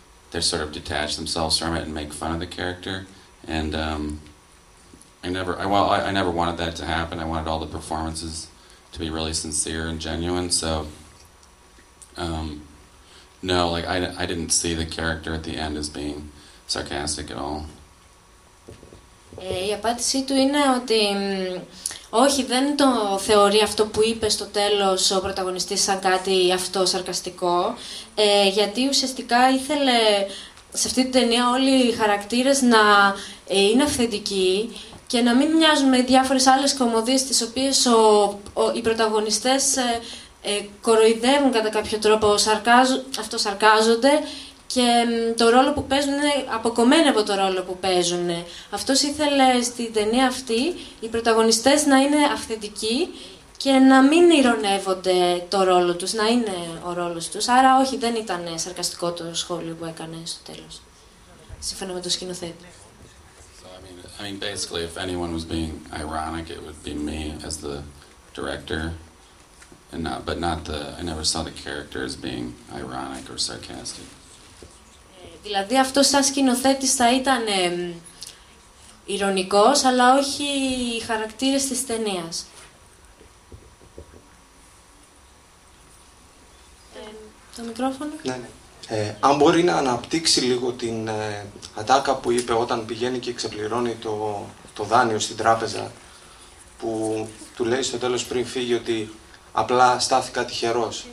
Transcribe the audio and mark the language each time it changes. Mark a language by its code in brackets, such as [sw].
[en] They sort of detach themselves from it and make fun of the character. And I never wanted that to happen. I wanted all the performances to be really sincere and genuine. So, no, like I didn't see the character at the end as being sarcastic at all. [el] Η απάντησή του είναι ότι όχι, δεν το θεωρεί αυτό που είπε στο τέλος ο πρωταγωνιστής σαν κάτι αυτό σαρκαστικό, γιατί ουσιαστικά ήθελε σε αυτή την ταινία όλοι οι χαρακτήρες να είναι αυθεντικοί και να μην μοιάζουν με διάφορες άλλες κωμωδίες τις οποίες οι πρωταγωνιστές κοροϊδεύουν κατά κάποιο τρόπο, αυτοσαρκάζονται και το ρόλο που παίζουν είναι αποκομμένο από το ρόλο που παίζουν. Αυτός ήθελε στην ταινία αυτή οι πρωταγωνιστές να είναι αυθεντικοί και να μην ειρωνεύονται το ρόλο τους, να είναι ο ρόλος τους. Άρα όχι, δεν ήταν σαρκαστικό το σχόλιο που έκανε στο τέλος, σύμφωνα με το σκηνοθέτη. [en] I mean, basically, if anyone was being ironic, it would be me as the director. I never saw the character as being ironic or sarcastic. [el] Δηλαδή αυτό σαν σκηνοθέτης θα ήταν ηρωνικός, αλλά όχι οι χαρακτήρες της ταινίας. Το μικρόφωνο. Ναι, ναι. Αν μπορεί να αναπτύξει λίγο την ατάκα που είπε όταν πηγαίνει και ξεπληρώνει το δάνειο στην τράπεζα, που του λέει στο τέλος πριν φύγει ότι απλά στάθηκα τυχερός.